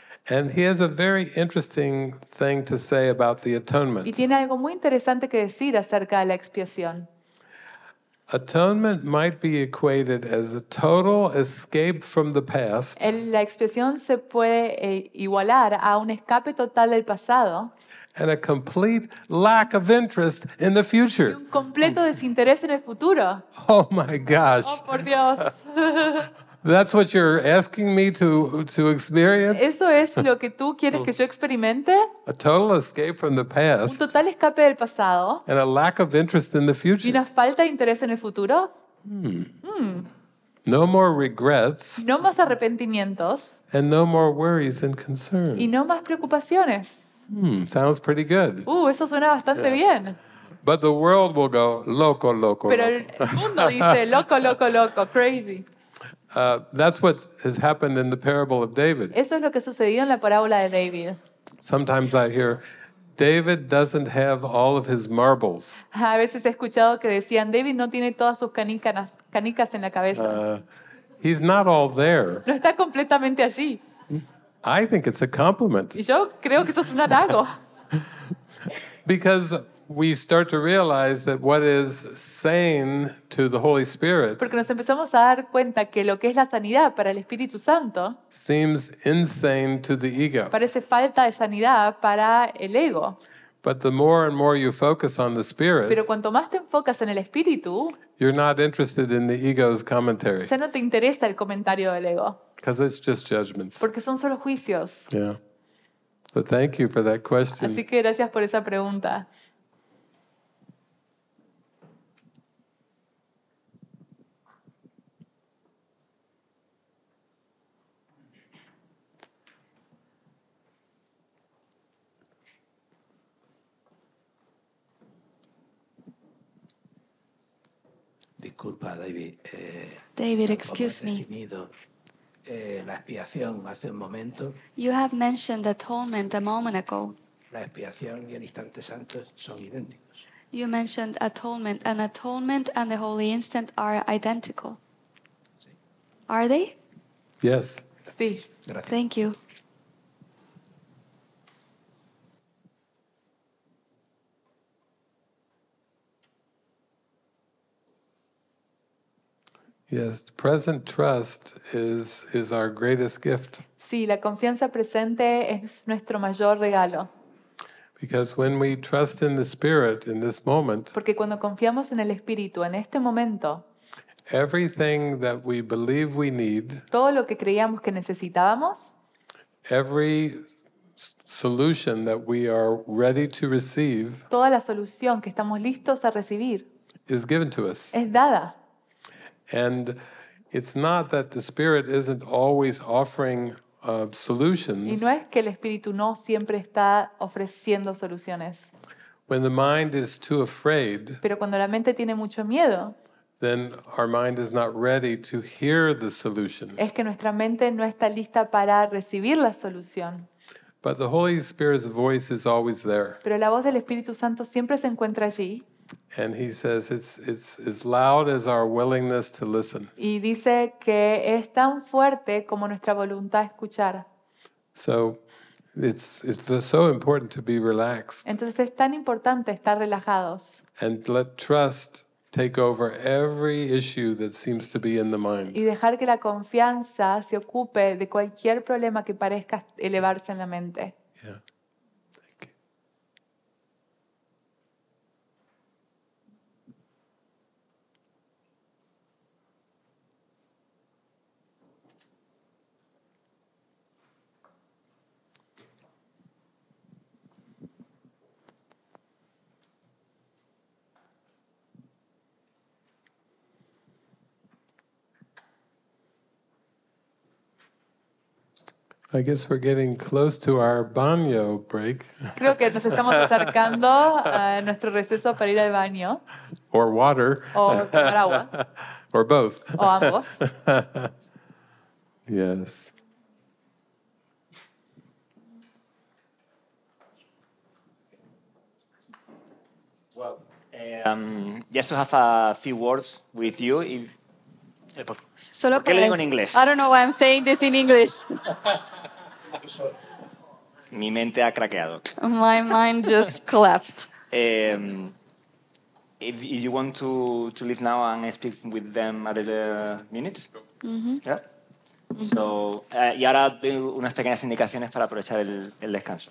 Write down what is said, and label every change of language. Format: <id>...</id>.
<en>And he has a very interesting thing to say about the atonement.</en> <es>Y tiene algo muy interesante que decir acerca de la expiación.</es> <en>Atonement might be equated as a total escape from the past.</en> <es>La expiación se puede igualar a un escape total del pasado.</es> <en>And a complete lack of interest in the future.</en> <es>Y un completo desinterés en el futuro.</es> <en>Oh my gosh.</en> <es>Oh, por Dios.</es> <en>That's what you're asking me to experience?</en> <es>¿Eso es lo que tú quieres que yo experimente?</es> <en>A total escape from the past.</en> <es>Un total escape del pasado.</es> <en>And a lack of interest in the future.</en> <es>¿Y una falta de interés en el futuro?</es> <en>No more regrets.</en> <es>No más arrepentimientos.</es> <en>And no more worries and concerns.</en> <es>Y no más preocupaciones.</es> <en>Sounds pretty good.</en> <es>Eso suena bastante bien.</es> <en>But the world will go</en> <es>loco, loco, loco. Pero el mundo dice loco, loco, loco,</es> <en>crazy. That's what has happened in the parable of David.</en> <es>Eso es lo que sucedió en la parábola de David.</es> <en>Sometimes I hear, David doesn't have all of his marbles.</en> <es>A veces he escuchado que decían David no tiene todas sus canicas en la cabeza.</es> <en>He's not all there.</en> <es>No está completamente allí.</es> <en>I think it's a compliment.</en> <es>Y yo creo que eso es un halago.</es> <en>Because we start to realize that what is sane to the Holy Spirit.</en> <es>Porque nos empezamos a dar cuenta que lo que es la sanidad para el Espíritu Santo</es> <en>seems insane to the ego.</en> <es>Parece falta de sanidad para el ego.</es> <en>But the more and more you focus on the Spirit,</en> <es>pero cuanto más te enfocas en el Espíritu,</es> <en>you're not interested in the ego's commentary.</en> <es>Ya no te interesa el comentario del ego.</es> <en>Because it's just judgments.</en> <es>Porque son solo juicios.</es> <en>Yeah. So thank you for that question.</en> <es>Así que gracias por esa pregunta. Disculpa, David.</es> <en>David, excuse me.</en> <es>La expiación hace un momento.</es> <en>You have mentioned atonement a moment ago.</en> <es>La expiación y el instante santo son idénticos.</es> <en>You mentioned atonement, and atonement and the holy instant are identical. Sí. Are they? Yes.</en> <es>Sí. Gracias.</es> <en>Thank you. Yes, present trust is our greatest gift.</en> <es>Sí, la confianza presente es nuestro mayor regalo.</es> <en>Because when we trust in the Spirit in this moment,</en> <es>porque cuando confiamos en el Espíritu en este momento,</es> <en>everything that we believe we need,</en> <es>todo lo que creíamos que necesitábamos,</es> <en>every solution that we are ready to receive,</en> <es>toda la solución que estamos listos a recibir,</es> <en>is given to us.</en> <es>Es dada.</es> <en>And it's not that the Spirit isn't always offering solutions.</en> <es>Y no es que el Espíritu no siempre está ofreciendo soluciones.</es> <en>When the mind is too afraid,</en> <es>pero cuando la mente tiene mucho miedo,</es> <en>then our mind is not ready to hear the solution.</en> <es>Es que nuestra mente no está lista para recibir la solución.</es> <en>But the Holy Spirit's voice is always there.</en> <es>Pero la voz del Espíritu Santo siempre se encuentra allí.</es> <en>And he says it's as loud as our willingness to listen.</en> <es>Y dice que es tan fuerte como nuestra voluntad escuchar.</es> <en>So it's so important to be relaxed.</en> <es>Entonces es tan importante estar relajados.</es> <en>And let trust take over every issue that seems to be in the mind.</en> <es>Y dejar que la confianza se ocupe de cualquier problema que parezca elevarse en la mente.</es> <en>Yeah. I guess we're getting close to our baño break.</en> <es>Creo que nos estamos acercando a nuestro receso para ir al baño.</es> <en>Or water.</en> <es>O tomar agua.</es> <en>Or both.</en> <es>O ambos.</es> <en>Yes. Well, just to have a few words with you.</en> <es>Solo ¿Por qué lo digo en inglés?</es> <en>I don't know why I'm saying this in English.</en> <es>Mi mente ha craqueado.</es> <en>My mind just collapsed. If you want to leave now and speak with them another minutes, mm-hmm. Yeah. Mm-hmm.</en> <es>So, y ahora tengo unas pequeñas indicaciones para aprovechar el descanso.</es>